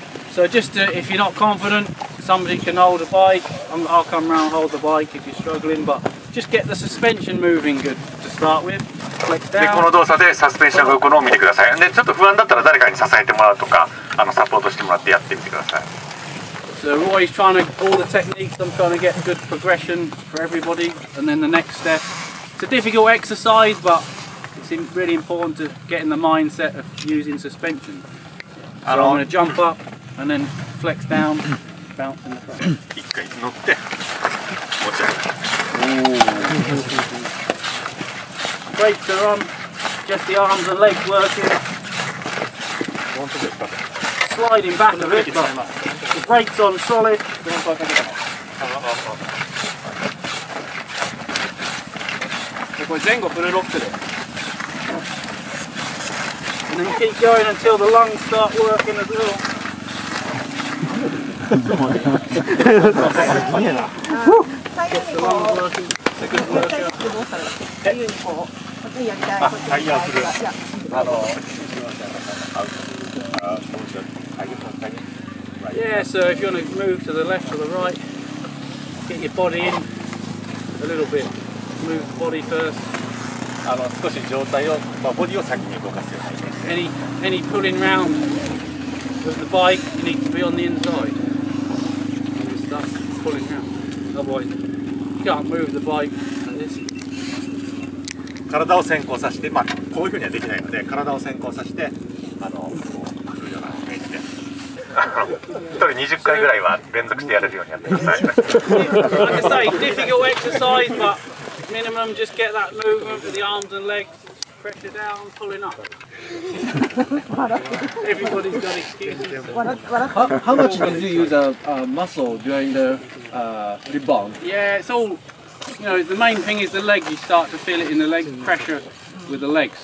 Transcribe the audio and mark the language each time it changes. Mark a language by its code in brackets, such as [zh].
[en] So just to, if you're not confident, somebody can hold a bike. I'll come round hold the bike if you're struggling. But just get the suspension moving good to start with. [ja] でこの動作でサスペンションが動くのを見てください。でちょっと不安だったら誰かに支えてもらうとかサポートしてもらってやってみてください。 [en] So Roy's trying to all the techniques. I'm trying to get good progression for everybody. And then the next step. It's a difficult exercise, but. It's really important to get in the mindset of using suspension. So I'm going to jump up and then flex down, bounce in the front. [ja] 一回乗って持ち上げる。 [en] Brakes are on, just the arms and legs working. Sliding back a bit, but the brakes on solid. [ja] これ前後フルロックで。 [en] And then keep going until the lungs start working as well. Get the lungs working. Second workout. Yeah, so if you want to move to the left or the right, get your body in a little bit. Move the body first. [ja] 少し状態を、ボディを先に動かすようなイメージ。 [en] Any pulling round with the bike, you need to be on the inside. Just start pulling round. Otherwise, you can't move the bike like this. [ja] 体を先行させて、こういうふうにはできないので、体を先行させて、こう振るようなイメージで。 1人20回ぐらいは連続してやれるようにやってください。 [en] Like I say, difficult exercise, but... Minimum, just get that movement with the arms and legs. Pressure down, pulling up. Everybody's got excuses. How much did you use a muscle during the rebound? Yeah, it's all, the main thing is the leg. You start to feel it in the leg, pressure with the legs.